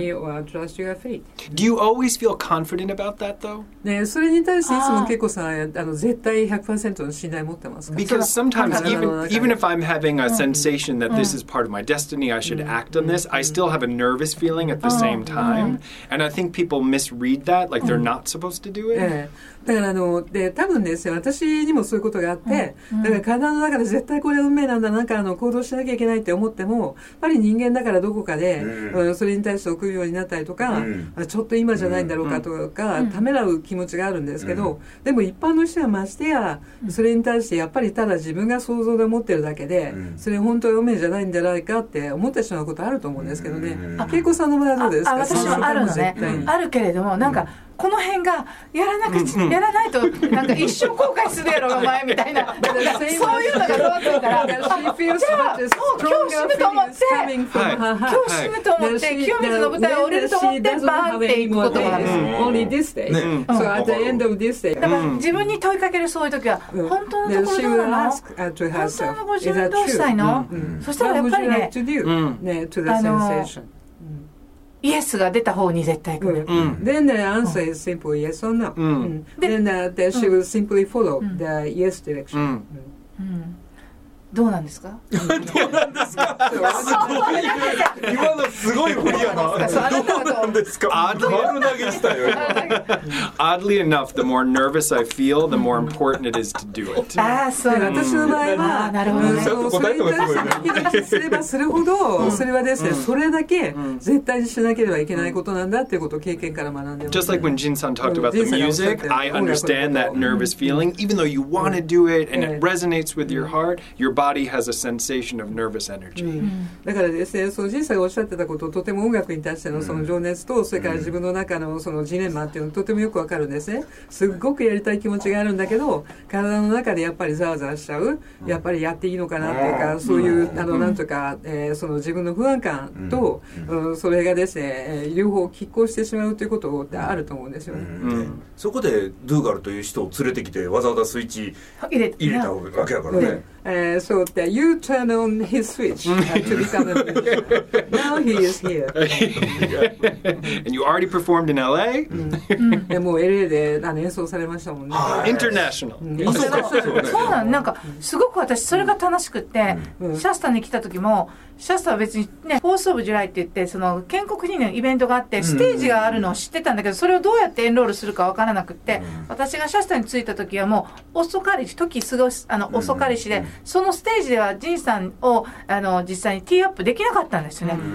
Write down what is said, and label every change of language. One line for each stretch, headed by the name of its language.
English: Do you always feel confident about that, though?
Japanese: ね、それに対していつも結構さ、あの絶対 100% の信頼持ってますか。
English: Because sometimes even if I'm having a sensation that this is part of my destiny, I should act on this, I still have a nervous feeling at the same time. And I think people misread that, like they're not supposed to do it.
Japanese: だからあので多分ですよ、私にもそういうことがあって、だから体の中で絶対これ運命なんだ、なんかあの行動しなきゃいけないって思っても、やっぱり人間だからどこかで、それに対して臆病になったりとか、ちょっと今じゃないんだろうかとか、ためらう気持ちがあるんですけど、でも一般の人はましてやそれに対してやっぱりただ自分が想像で思ってるだけで、それ本当は運命じゃないんじゃないかって思ってしまうことあると思うんですけどね。恵子さんの場合はどうですか。あ、私はあるのね、あるけれども、なんか、この辺がやらなくて、やらないとなんか一生後悔するやろお前みたいな、そういうのが弱ってるから、じゃあもう今日死ぬと思って、今日死ぬと思って清水の舞台を降りると思ってバーンっていくことがあるんです。
English: Only this day. So at the end of this day.
Japanese: だから自分に問いかける、そういう時は本当のところどうなの？本当のご自分どうしたいの？そしたらやっぱりね、
English: to the sensation。
Japanese: イエスが出た方に絶対来る。
English: Then the answer is simply yes or no. Then that she will simply follow the yes direction.
Japanese: どうなんですか？どうなんですか？今のすごい振りやな。どうなんですか？丸投げしたよ。
English: Oddly enough, the more nervous I feel, the more important it is to do it.
Japanese: ああ、そう。私の場合は、なるほどね。それに対してすればするほど、それはですね、それだけ絶対にしなければいけないことなんだっていうことを経験から学んでます。
English: Just like when Jin-san talked about the music, I understand that nervous feeling. Even though you want to do it and it resonates with your heart, your body has a sensation of nervous energy.
Japanese: だからですね、そう、人生がおっしゃってたこと、とても音楽に対してのその情熱と、それから自分の中のそのジレンマっていうのとてもよくわかるんですね。すっごくやりたい気持ちがあるんだけど、体の中でやっぱりザワザワしちゃう、やっぱりやっていいのかなっていうか、そういうあのなんとか、その自分の不安感と、それがですね、両方拮抗してしまうということってあると思うんですよね。そこでドゥーガルという人を連れてきて、わざわざスイッチ入れたわけだからね。
English: So that you turn on his switch to become a now he is here. And you already performed in L.A.
Japanese: もう L.A. で演奏されましたもんね。
English: International.
Japanese: そうなん、なんかすごく私それが楽しくって、シャスタに来た時も、シャスタは別にね、フォースオブジュライって言って、その建国記念イベントがあって、ステージがあるのを知ってたんだけど、それをどうやってエンロールするか分からなくって、私がシャスタに着いた時はもう、遅かりし、時すごい、あの、遅かりしで、そのステージではジンさんを、あの、実際にティーアップできなかったんですよね。